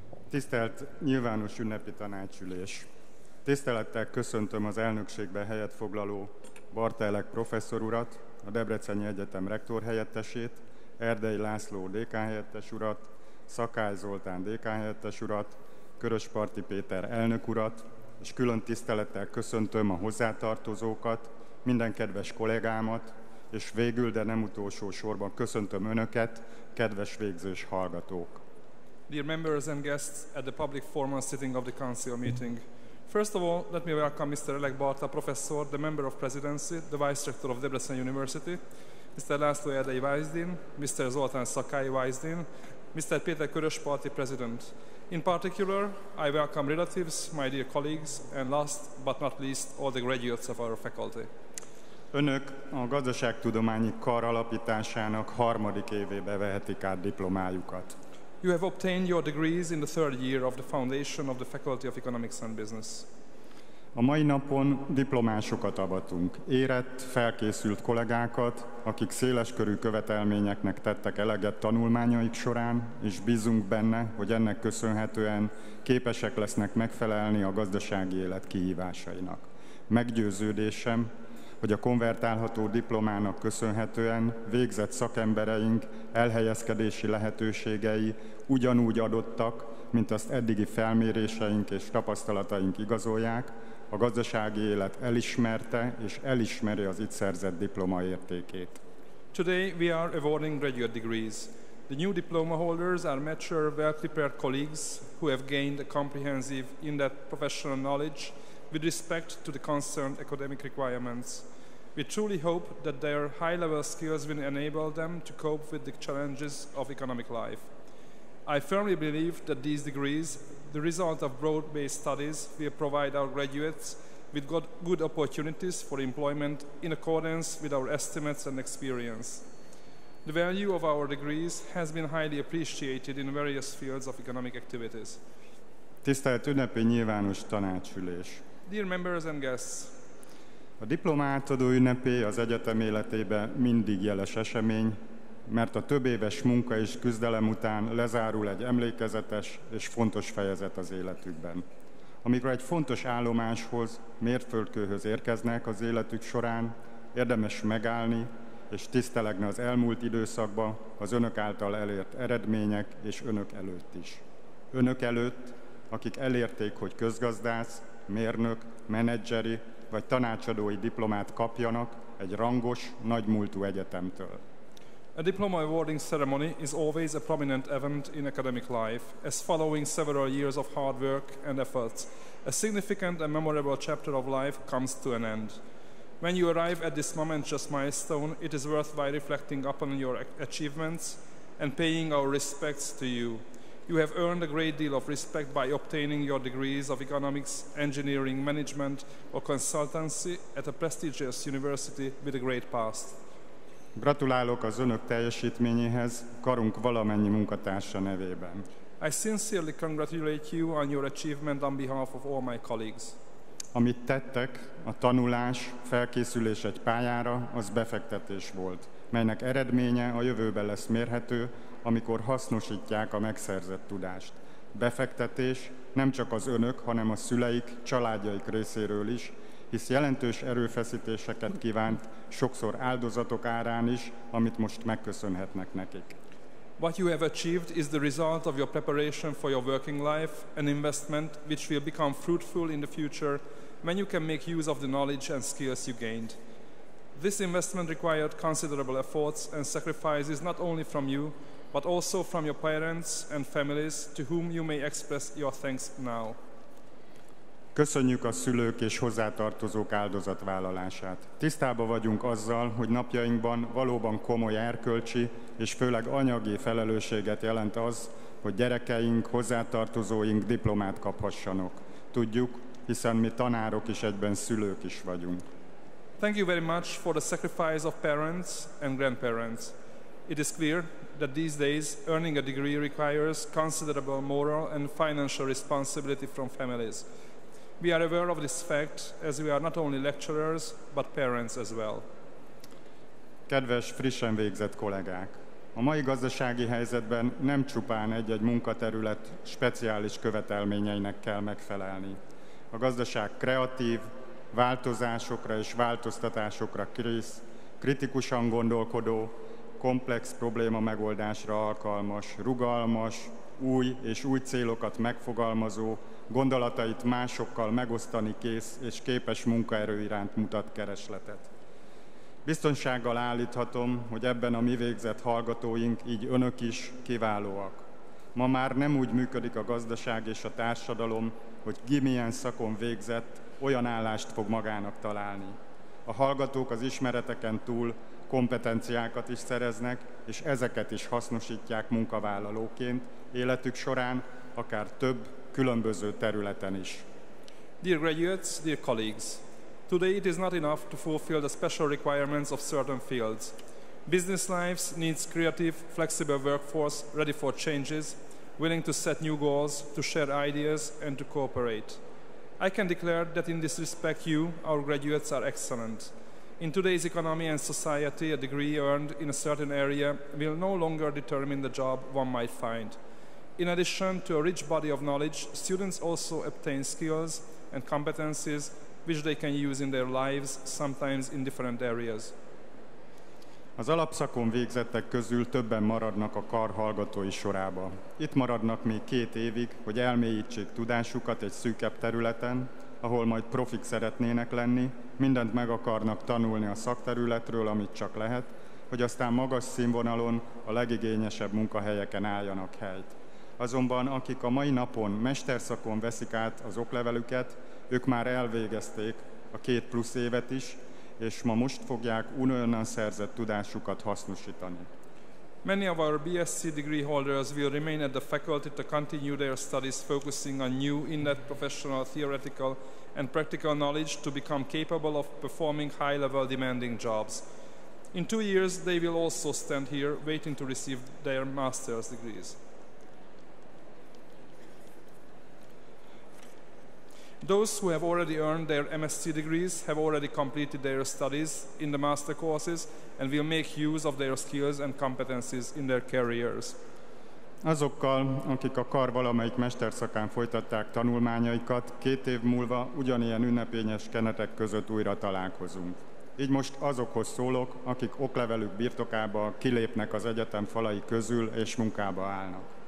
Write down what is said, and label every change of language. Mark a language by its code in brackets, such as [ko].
[hu] Tisztelt nyilvános ünnepi tanácsülés! Tisztelettel köszöntöm az elnökségben helyet foglaló Bartelek professzor urat, a Debreceni Egyetem rektorhelyettesét, Erdei László dékánhelyettes urat, Szakály Zoltán dékánhelyettes urat, Körösparti Péter elnök urat, és külön tisztelettel köszöntöm a hozzátartozókat, minden kedves kollégámat, és végül, de nem utolsó sorban köszöntöm Önöket, kedves végzős hallgatók. [en] Dear members and guests at the public formal sitting of the council meeting. First of all, let me welcome Mr. Elek Balta, professor, the member of presidency, the vice rector of Debrecen University, Mr. László Erdei Vice-Dean, Mr. Zoltán Szakály Vice-Dean, Mr. Péter Körös Party President. In particular, I welcome relatives, my dear colleagues, and last but not least, all the graduates of our faculty. [hu] Önök a gazdaságtudományi kar alapításának harmadik évébe vehetik át diplomájukat. [en] You have obtained your degrees in the third year of the foundation of the Faculty of Economics and Business. [hu] A mai napon diplomásokat avatunk, érett, felkészült kollégákat, akik széleskörű követelményeknek tettek eleget tanulmányaik során, és bízunk benne, hogy ennek köszönhetően képesek lesznek megfelelni a gazdasági élet kihívásainak. Meggyőződésem, hogy a konvertálható diplomának köszönhetően végzett szakembereink elhelyezkedési lehetőségei ugyanúgy adottak, mint azt eddigi felméréseink és tapasztalataink igazolják, a gazdasági élet elismerte és elismeri az itt szerzett diploma értékét. [en] Today we are awarding graduate degrees. The new diploma holders are mature, well-prepared colleagues who have gained a comprehensive in-depth professional knowledge with respect to the concerned academic requirements. We truly hope that their high-level skills will enable them to cope with the challenges of economic life. I firmly believe that these degrees, the result of broad-based studies, will provide our graduates with good opportunities for employment in accordance with our estimates and experience. The value of our degrees has been highly appreciated in various fields of economic activities. [hu] Tisztelt ünnepi nyilvános tanácsülés! [en] Dear members and guests, [hu] a diplomátadó ünnepé az egyetem életében mindig jeles esemény, mert a több éves munka és küzdelem után lezárul egy emlékezetes és fontos fejezet az életükben. Amikor egy fontos állomáshoz, mérföldkőhöz érkeznek az életük során, érdemes megállni és tisztelegni az elmúlt időszakba az önök által elért eredmények és önök előtt is. Önök előtt, akik elérték, hogy közgazdász, mérnök, menedzseri vagy tanácsadói diplomát kapjanak egy rangos, nagymúltú egyetemtől. [en] A diploma awarding ceremony is always a prominent event in academic life, as following several years of hard work and efforts, a significant and memorable chapter of life comes to an end. When you arrive at this momentous milestone, it is worthwhile reflecting upon your achievements and paying our respects to you. You have earned a great deal of respect by obtaining your degrees of economics, engineering, management or consultancy at a prestigious university with a great past. [hu] Gratulálok az önök teljesítményéhez, karunk valamennyi munkatársa nevében. [en] I sincerely congratulate you on your achievement on behalf of all my colleagues. [hu] Amit tettek, a tanulás, felkészülés egy pályára, az befektetés volt, melynek eredménye a jövőben lesz mérhető, amikor hasznosítják a megszerzett tudást. Befektetés nem csak az önök, hanem a szüleik, családjaik részéről is, hisz jelentős erőfeszítéseket kívánt, sokszor áldozatok árán is, amit most megköszönhetnek nekik. [en] What you have achieved is the result of your preparation for your working life, an investment which will become fruitful in the future when you can make use of the knowledge and skills you gained. This investment required considerable efforts and sacrifices not only from you, but also from your parents and families, to whom you may express your thanks now. [hu] Köszönjük a szülők és hozzátartozók áldozatvállalását. Tisztában vagyunk azzal, hogy napjainkban valóban komoly erkölcsi és főleg anyagi felelősséget jelent az, hogy gyerekeink, hozzátartozóink diplomát kaphassanak. Tudjuk, hiszen mi tanárok is egyben szülők is vagyunk. [en] Thank you very much for the sacrifice of parents and grandparents. It is clear that these days earning a degree requires considerable moral and financial responsibility from families. We are aware of this fact, as we are not only lecturers, but parents as well. [hu] Kedves, frissen végzett kollégák! A mai gazdasági helyzetben nem csupán egy-egy munkaterület speciális követelményeinek kell megfelelni. A gazdaság kreatív, változásokra és változtatásokra kész, kritikusan gondolkodó, komplex probléma megoldásra alkalmas, rugalmas, új és új célokat megfogalmazó, gondolatait másokkal megosztani kész és képes munkaerő iránt mutat keresletet. Biztonsággal állíthatom, hogy ebben a mi végzett hallgatóink, így önök is kiválóak. Ma már nem úgy működik a gazdaság és a társadalom, hogy ki milyen szakon végzett, olyan állást fog magának találni. A hallgatók az ismereteken túl kompetenciákat is szereznek, és ezeket is hasznosítják munkavállalóként életük során, akár több, különböző területen is. [en] Dear graduates, dear colleagues, today it is not enough to fulfill the special requirements of certain fields. Business lives needs creative, flexible workforce ready for changes, willing to set new goals, to share ideas and to cooperate. I can declare that in this respect you, our graduates, are excellent. In today's economy and society, a degree earned in a certain area will no longer determine the job one might find. In addition to a rich body of knowledge, students also obtain skills and competencies which they can use in their lives, sometimes in different areas. [hu] Az alapszakon végzettek közül többen maradnak a kar hallgatói sorába. Itt maradnak még 2 évig, hogy elmélyítsék tudásukat egy szűkebb területen, ahol majd profik szeretnének lenni, mindent meg akarnak tanulni a szakterületről, amit csak lehet, hogy aztán magas színvonalon a legigényesebb munkahelyeken álljanak helyt. Azonban akik a mai napon mesterszakon veszik át az oklevelüket, ők már elvégezték a 2+ évet is, és ma most fogják újonnan szerzett tudásukat hasznosítani. [en] Many of our BSc degree holders will remain at the faculty to continue their studies focusing on new in-depth professional theoretical and practical knowledge to become capable of performing high-level demanding jobs. In 2 years they will also stand here waiting to receive their master's degrees. Those who have already earned their MSc degrees have already completed their studies in the master courses and will make use of their skills and competencies in their careers. [hu] Azokkal, akik a kar valamelyik mesterszakán folytatták tanulmányaikat, 2 év múlva ugyanilyen ünnepényes keretek között újra találkozunk. Így most azokhoz szólok, akik oklevelük birtokába kilépnek az egyetem falai közül és munkába állnak.